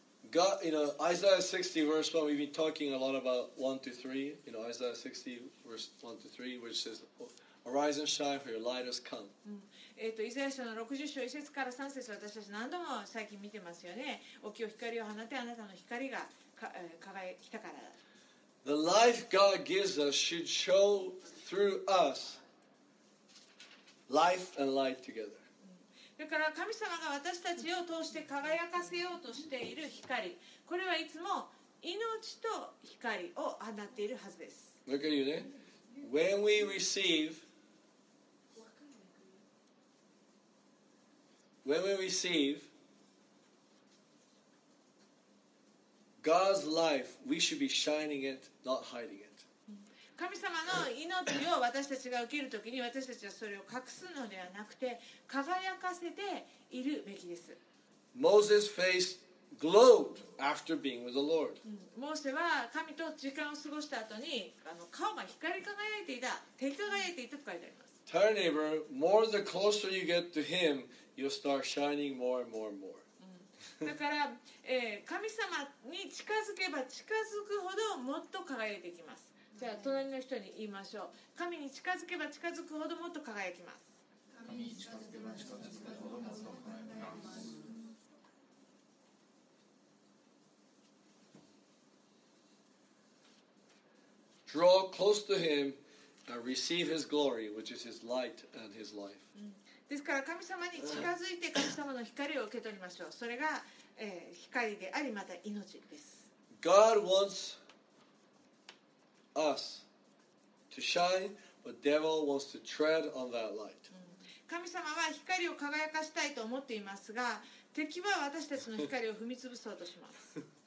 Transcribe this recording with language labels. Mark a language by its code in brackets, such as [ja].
[en] God, you know, Isaiah 60 verse 1, we've been talking a lot about 1 to 3, you know, Isaiah 60 verse 1 to 3, which says, Arise and shine, for your light has come. [ja] イザヤ書の60章1節から3節私たち何度も最近見てますよね。沖を光を放てあなたの光が輝きたから。 [en] The life God gives us should show through us life and light together. [ja] だから神様が私たちを通して輝かせようとしている光、これはいつも命と光を放っているはずです。 [en] Look at you then. When we receive, God's life, we should be shining it, not hiding it. [ja] 神様の命を私たちが受けるときに私たちはそれを隠すのではなくて輝かせているべきです。 [en] Moses faced glowed after being with the Lord. [ja] モーセは神と時間を過ごした後に顔が光り輝いていた、照り輝いていたと書いてあります。 [en] Tell your neighbor, more the closer you get to him, you'll start shining more and more and more. [ja] だから、神様に近づけば近づくほどもっと輝いていきます。じゃあ隣の人に言いましょう。神に近づけば近づくほどもっと輝きます。神に近づけば近づくほどもっと輝きます。 [en] Draw close to him and receive his glory, which is his light and his life. [ja] ですから神様に近づいて神様の光を受け取りましょう。それが、光でありまた命です。 [en] God wants us to shine, but devil wants to tread on that light. [ja] 神様は光を輝かしたいと思っていますが、敵は私たちの光を踏み潰そうとします。